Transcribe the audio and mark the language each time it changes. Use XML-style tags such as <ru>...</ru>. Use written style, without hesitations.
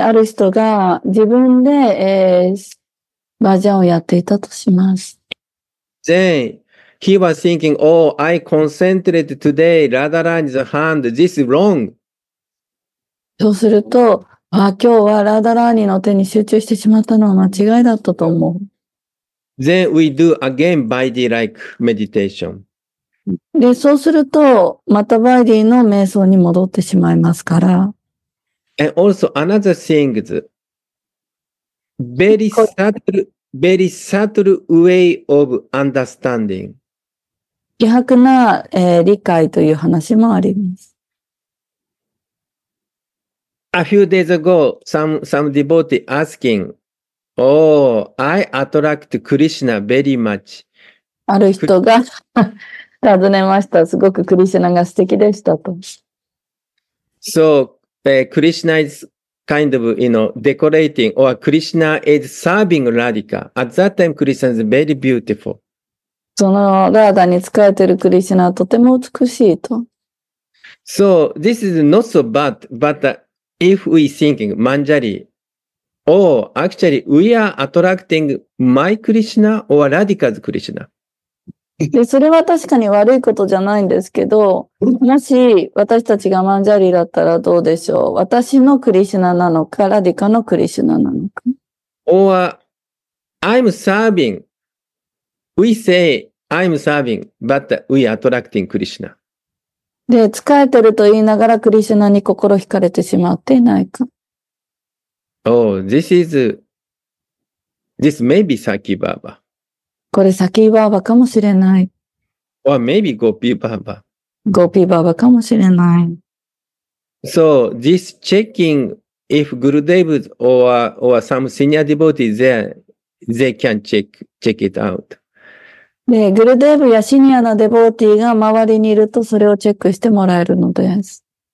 <ja>ある人が自分で、バージョンをやっていたとします。</ja> <en>Then he was thinking, oh, I concentrate today, Radharani's hand, this is wrong.</en> <ja>そうすると、あ、今日はラダラーニの手に集中してしまったのは間違いだったと思う。</ja> <en>Then we do again Vaidhi-like meditation.</en> <ja>で、そうすると、またバイディの瞑想に戻ってしまいますから、</ja> <en>And also another thing is very subtle way of understanding.</en> <ja>希薄な、理解という話もあります。</ja> <en>A few days ago, some devotee asking, oh, I attract Krishna very much.</en> <ja>ある人が尋ねました。すごくクリシナが素敵でしたと。</ja> <en>So,Krishna is kind of, you know, decorating, or Krishna is serving Radhika. At that time, Krishna is very beautiful.</en> <ja>そのラーダに仕えているクリシナはとても美しいと。</ja> <en>So, this is not so bad, but if we thinking Manjari, oh, actually, we are attracting my Krishna or Radhika's Krishna.</en> <ja>でそれは確かに悪いことじゃないんですけど、もし私たちがマンジャリだったらどうでしょう。私のクリシュナなのか、ラディカのクリシュナなのか。</ja> <en>Or, I'm serving. We say, I'm serving, but we are attracting Krishna.</en> <ja>で、仕えてると言いながらクリシュナに心惹かれてしまっていないか。</ja> <en>Oh, this may be Saki Baba.</en> <ja>これ Saki Baba かもしれない。</ja> <en>Or maybe Gopi Baba.</en> <ja>Gopi Baba かもしれない。</ja> <en>So this checking if Gurudev or some senior devotee there, they can check it out.</en> <ja>で、グルデーブやシニアのデボーティーが周りにいるとそれをチェックしてもらえるのです。</ja>